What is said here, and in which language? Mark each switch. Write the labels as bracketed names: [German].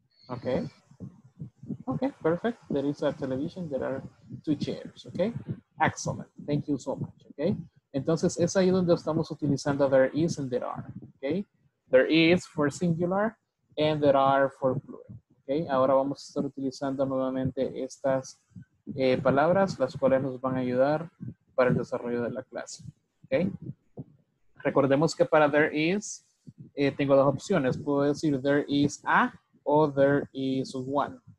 [English] Okay. Okay. Perfect. There is a television. There are two chairs. Okay. Excellent. Thank you so much. Okay. [Spanish] Entonces, es ahí donde estamos utilizando [English] there is and there are. [Spanish] Okay. [English] There is for singular and there are for plural. Okay. [Spanish] Ahora vamos a estar utilizando nuevamente estas palabras, las cuales nos van a ayudar para el desarrollo de la clase. Okay. Recordemos que para there is, tengo dos opciones. Puedo decir [English] there is a [Spanish] o [English] there is one.